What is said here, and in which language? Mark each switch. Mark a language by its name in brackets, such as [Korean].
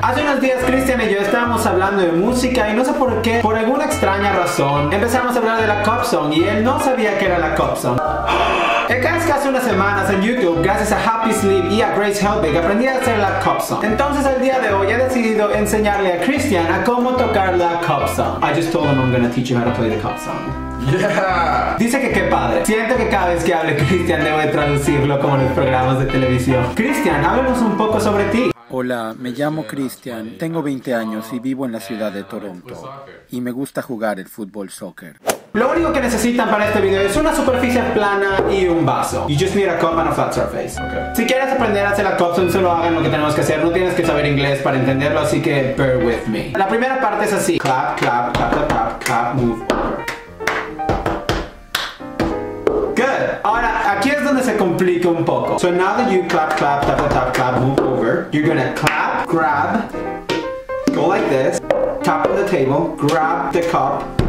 [Spanish] Hace unos días Christian y yo estábamos hablando de música y no sé por qué, por alguna extraña razón, empezamos a hablar de la cop song y él no sabía que era la cop song. El caso es que hace unas semanas en YouTube, gracias a Happy Sleep y a Grace Helbig, aprendí a hacer la cop song. Entonces el día de hoy he decidido enseñarle a Christian a cómo tocar la cop song. [English] I just told him I'm gonna teach you how to play the cop song. Yeah. [Spanish] Dice que qué padre. Siento que cada vez que hable Christian debo de traducirlo como en los programas de televisión. Christian, háblanos un poco sobre ti. Hola, me llamo Christian, tengo 20 años y vivo en la ciudad de Toronto. Y me gusta jugar el fútbol soccer. Lo único que necesitan para este video es una superficie plana y un vaso. [English] You just need a cup and a flat surface. Okay. [Spanish] Si quieres aprender a hacer la cup song, solo hagan lo que tenemos que hacer. No tienes que saber inglés para entenderlo, así que [English] bear with me. [Spanish] La primera parte es así. [English] Clap, clap, clap, clap, clap, clap, move over. Good. [Spanish] Ahora, aquí es donde se complica un poco. [English] So now that you clap, clap, clap, clap, clap, move over, you're gonna clap, grab, go like this, tap on the table, grab the cup.